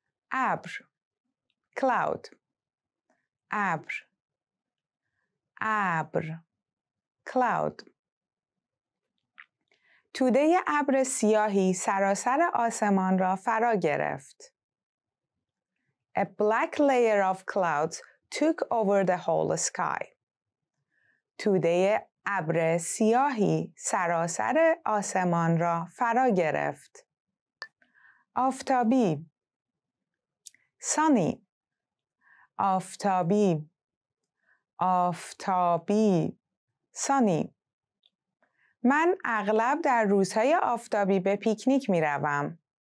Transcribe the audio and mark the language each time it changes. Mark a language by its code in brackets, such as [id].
[fa] ابر [en] cloud [fa] ابر ابر cloud توده ابر سیاهی سراسر آسمان را فرا گرفت. [en] A black layer of clouds took over the whole sky. [fa] توده ابر سیاهی سراسر آسمان را فرا گرفت. آفتابی [en] sunny [fa] آفتابی آفتابی sunny من اغلب در روزهای آفتابی به پیکنیک می روم.